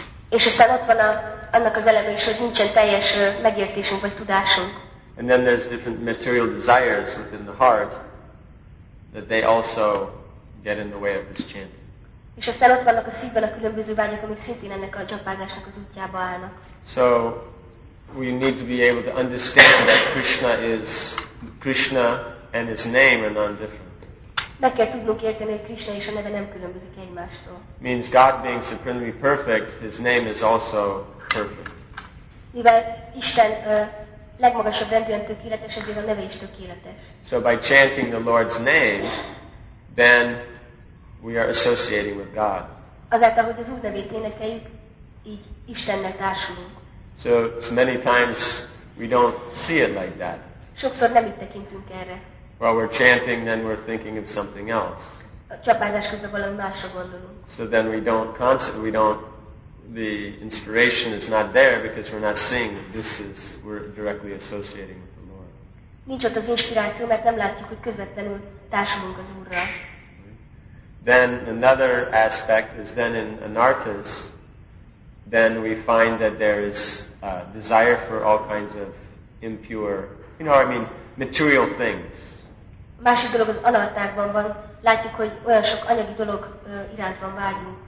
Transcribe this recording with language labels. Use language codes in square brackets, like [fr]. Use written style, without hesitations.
[hu] És aztán ott van annak az eleme is, hogy nincsen teljes megértésünk vagy tudásunk. [en] And then there's different material desires within the heart that they also get in the way of this chanting. [hu] És aztán ott vannak a szívben a különböző vágyak, amik szintén ennek a japázásnak az útjába állnak. [en] So we need to be able to understand that Krishna and his name are non-different. [hu] Meg kell tudnunk érteni, hogy Krishna és a neve nem különbözik egymástól. [en] Means God being supremely perfect, his name is also perfect. [hu] Mivel Isten legmagasabb rendűen tökéletes, ezért a neve is tökéletes. [en] So by chanting the Lord's name, then we are associating with God. [hu] Azáltal, hogy az Úr nevét énekeljük, így Istennel társulunk. [en] So many times we don't see it like that. [hu] Sokszor nem így tekintünk erre. [en] While we're chanting, then we're thinking of something else. [hu] A csapázás közben valami másra gondolunk. [en] So then the inspiration is not there because we're not seeing that we're directly associating with the Lord. [hu] Nincs ott az inspiráció, mert nem látjuk, hogy közvetlenül társulunk az Úrral. [en] Then another aspect is then in anarthas, then we find that there is a desire for all kinds of impure, material things. [hu] Másik dolog az anartákban van, látjuk, hogy olyan sok anyagi dolog iránt van vágyunk.